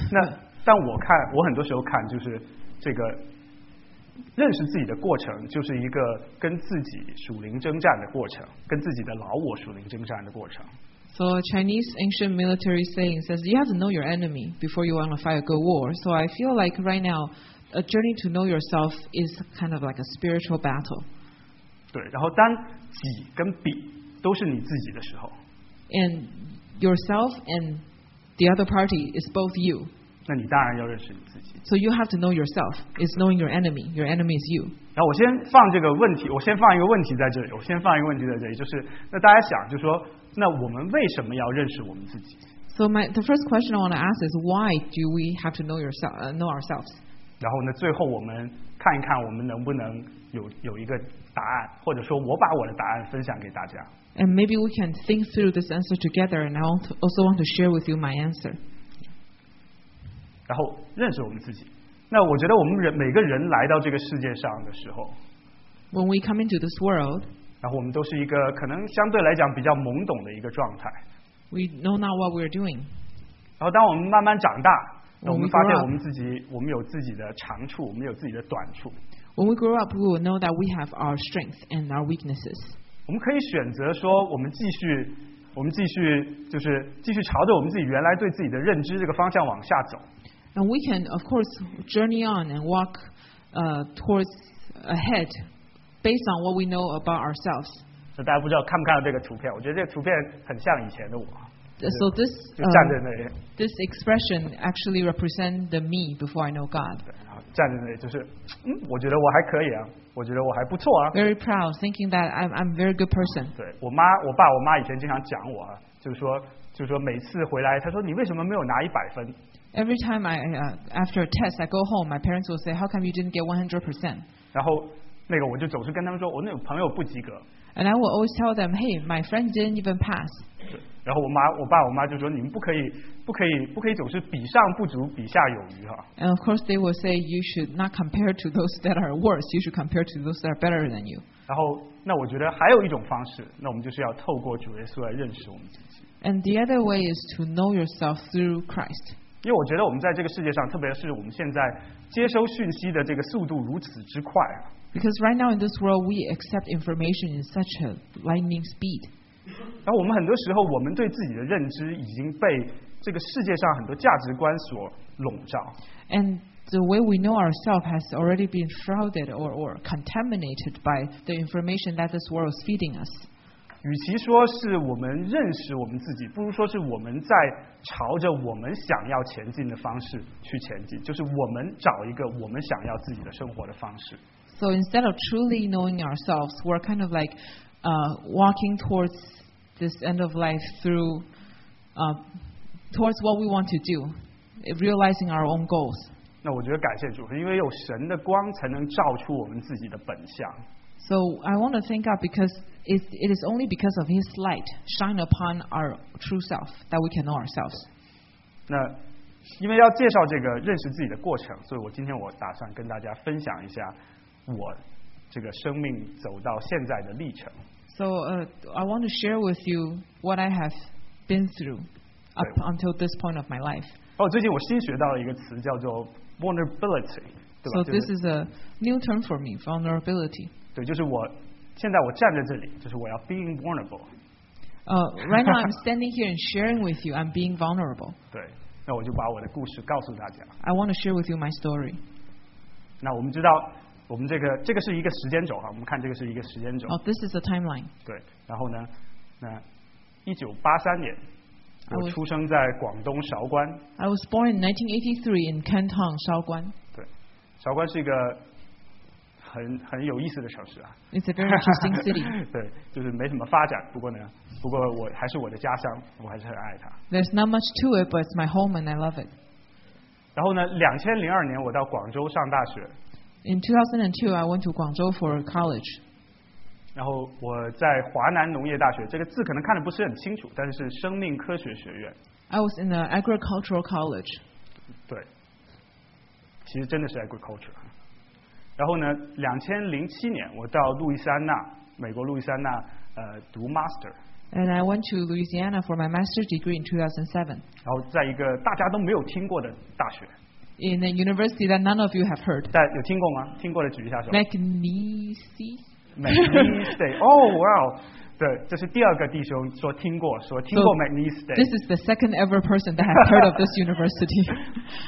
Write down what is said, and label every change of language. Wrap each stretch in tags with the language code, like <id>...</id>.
<zh>那但我看我很多时候看就是这个认识自己的过程就是一个跟自己属灵征战的过程，跟自己的老我属灵征战的过程。</zh> <en>So Chinese ancient military saying says you have to know your enemy before you want to fight a good war. So I feel like right now a journey to know yourself is kind of like a spiritual battle.</en> <zh>对，然后当己跟彼都是你自己的时候</zh> <en>andYourself and the other party is both you.</en> <zh>那你当然要认识你自己。</zh> <en>So you have to know yourself. It's knowing your enemy. Your enemy is you.</en> <zh>然后我先放这个问题，我先放一个问题在这里，我先放一个问题在这里，就是那大家想，就说那我们为什么要认识我们自己</zh> <en>？So the first question I want to ask is why do we have to know yourself, know ourselves?</en> <zh>然后呢，最后我们看一看我们能不能有一个答案，或者说我把我的答案分享给大家。</zh> <en>And maybe we can think through this answer together, and I also want to share with you my answer.</en> <zh>然后认识我们自己。那我觉得我们人每个人来到这个世界上的时候</zh> <en>，When we come into this world,</en> <zh>然后我们都是一个可能相对来讲比较懵懂的一个状态。</zh> <en>We know not what we're doing.</en> <zh>然后当我们慢慢长大，</zh> <en>when、</en> <zh>我们发现我们自己，我们有自己的长处，我们有自己的短处。</zh> <en>When we grow up, we will know that we have our strengths and our weaknesses.</en> <zh>我们可以选择说我们继续就是继续朝着我们自己原来对自己的认知这个方向往下走。</zh> <en>And we can of course journey on and walk towards ahead based on what we know about ourselves.</en> <zh>所以大家不知道看不看到这个图片，我觉得这个图片很像以前的我。</zh> <en>So this, this expression actually represents the me before I know God.</en> <zh>站在那里就是，我觉得我还可以啊，我觉得我还不错啊。</zh> <en>Very proud, thinking that I'm very good person.</en> <zh>对，我妈、我爸、我妈以前经常讲我、啊，就是说每次回来，她说你为什么没有拿100分？</zh> <en>Every time I after a test I go home, my parents will say, how come you didn't get 100%?</en> <zh>然后那个我就总是跟他们说，我那个朋友不及格。</zh> <en>And I will always tell them, hey, my friend didn't even pass.</en> <zh>然后我爸我妈就说你们不可以总是比上不足比下有余哈。</zh> <en>And of course they will say you should not compare to those that are worse, you should compare to those that are better than you.</en> <zh>然后那我觉得还有一种方式，那我们就是要透过主耶稣来认识我们自己。</zh> <en>And the other way is to know yourself through Christ.</en> <zh>因为我觉得我们在这个世界上，特别是我们现在接收讯息的这个速度如此之快。</zh> <en>Because right now in this world we accept information in such a lightning speed.</en> <zh>然后我们很多时候，我们对自己的认知已经被这个世界上很多价值观所笼罩。</zh> <en>And the way we know ourselves has already been shrouded or contaminated by the information that this world is feeding us.</en> <zh>与其说是我们认识我们自己，不如说是我们在朝着我们想要前进的方式去前进，就是我们找一个我们想要自己的生活的方式。</zh> <en>So instead of truly knowing ourselves, we're kind of like walking towards. This end of life through towards what we want to do, realizing our own goals.</en> <zh>那我觉得感谢主，因为有神的光才能照出我们自己的本相。</zh> <en>So I want to thank God because it is only because of His light shine upon our true self that we can know ourselves.</en> <zh>那因为要介绍这个认识自己的过程，所以我今天我打算跟大家分享一下我这个生命走到现在的历程。</zh> <en>So I want to share with you what I have been through up until this point of my life.</en> <zh>哦，最近我新学到了一个词叫做 vulnerability， 对吧</zh> <en>？So this is a new term for me, vulnerability.</en> <zh>对，就是我现在我站在这里，就是我要</zh> <en>being vulnerable. Right now I'm standing here and sharing with you. I'm being vulnerable.</en> <zh>对，那我就把我的故事告诉大家。</zh> <en>I want to share with you my story.</en> <zh>那我们知道。我们这个是一个时间轴哈，我们看这个是一个时间轴。</zh> <en>Oh, this is a timeline.</en> <zh>对，然后呢，那1983年，我出生在广东韶关。</zh> <en>I was born in 1983 in Canton, 韶关。</en> <zh>对，韶关是一个很有意思的城市啊。</zh> <en>It's a very interesting city.</en> <zh>对，就是没什么发展，不过我还是我的家乡，我还是很爱它。</zh> <en>There's not much to it, but it's my home and I love it.</en> <zh>然后呢，2002年我到广州上大学。</zh> <en>In 2002, I went to Guangzhou for college.</en> <zh>然后我在华南农业大学，这个字可能看得不是很清楚，但是生命科学学院。</zh> <en>I was in the agricultural college.</en> <zh>对，其实真的是 agriculture. 然后呢，2007年我到路易斯安那，美国路易斯安那，读 master.</zh> <en>And I went to Louisiana for my master's degree in 2007.</en> <zh>然后在一个大家都没有听过的大学。</zh> <en>In a university that none of you have heard.</en> <zh>但有听过吗？听过的举一下手。</zh> <en>Magnesi.</en> <zh>Magnesi.</zh> <en>Oh wow.</en> <zh>对，这是第二个弟兄说听过，说听过 Magnesi.</zh> <en>So, this is the second ever person that has heard of this university.</en>